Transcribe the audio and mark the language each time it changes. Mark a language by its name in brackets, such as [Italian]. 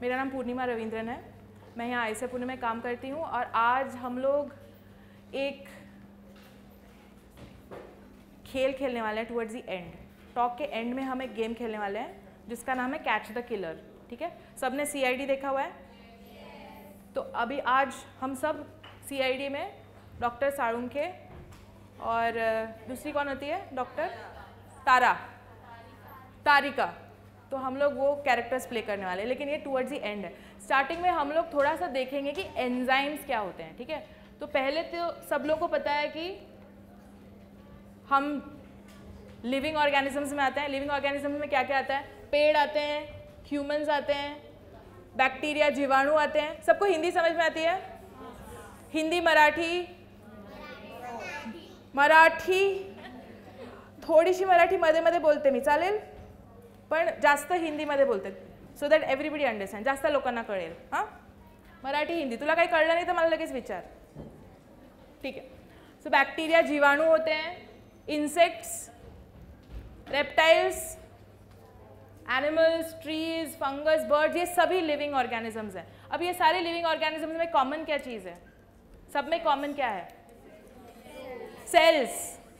[Hindi] पूर्णिमा रविंद्रन है, मैं यहाँ आई एस पुणे में काम करती हूँ और आज हम लोग एक खेल खेलने वाले हैं [English] Towards the end. [Hindi] टॉक के एंड में हम एक गेम खेलने वाले हैं जिसका नाम है कैच द किलर। ठीक है, सबने CID देखा हुआ है? तो अभी आज हम सब CID में डॉक्टर साळुंखे और दूसरी कौन होती है, डॉक्टर तारा तारिका, तो हम लोग वो कैरेक्टर्स प्ले करने वाले हैं, लेकिन ये [English] towards the end [Hindi] है। स्टार्टिंग में हम लोग थोड़ा सा देखेंगे कि एंजाइम्स क्या होते हैं। ठीक है, तो पहले तो सब लोगों को पता है कि हम लिविंग ऑर्गेनिजम्स में आते हैं। लिविंग ऑर्गेनिजम्स में क्या क्या आता है? पेड़ आते हैं, ह्यूमंस आते हैं, बैक्टीरिया जीवाणु आते हैं। सबको हिंदी समझ में आती है? [Marathi] हिंदी, मराठी, मराठी थोड़ीसी मराठी मध्ये मध्ये बोलते मी, चालेल, पण जास्त हिंदीमध्ये बोलते, [English] so that everybody understand, [Marathi] जास्त लोकांना कळेल। हां, मराठी, हिंदी, तुला काही कळलं नाही तर मला लगेच विचार। ठीक आहे, [Hindi] सो बॅक्टेरिया जीवाणू होते हैं, insects, reptiles, animals, trees, fungus, birds, ये सभी लिविंग ऑर्गेनिजम्स हैं। अब ये सारे लिविंग ऑर्गेनिजम्स में कॉमन क्या चीज़ है, सब में कॉमन क्या है? सेल्स।